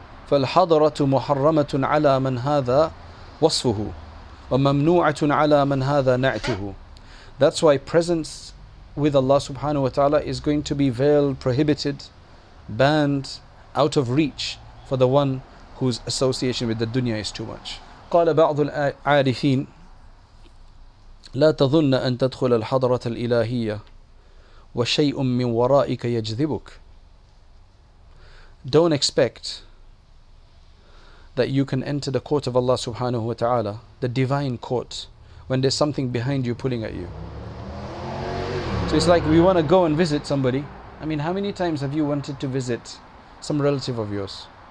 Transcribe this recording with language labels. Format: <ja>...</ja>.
<ar>فَالْحَضَرَةُ مُحَرَّمَةٌ عَلَى مَنْ هَذَا وَصْفُهُ وَمَمْنُوعَةٌ عَلَى مَنْ هَذَا نَعْتُهُ.</ar> <en>That's why presence with Allah subhanahu wa ta'ala is going to be veiled, prohibited, banned, out of reach for the one whose association with the dunya is too much.</en> <ar>قَالَ بَعْضُ الْعَارِفِينَ لا تظن أن تدخل الحضرة الإلهية وشيء من ورائك يجذبك.</ar> <en>Don't expect that you can enter the court of Allah subhanahu wa ta'ala, the divine court, when there's something behind you pulling at you. So it's like we want to go and visit somebody. I mean, how many times have you wanted to visit some relative of yours?</en>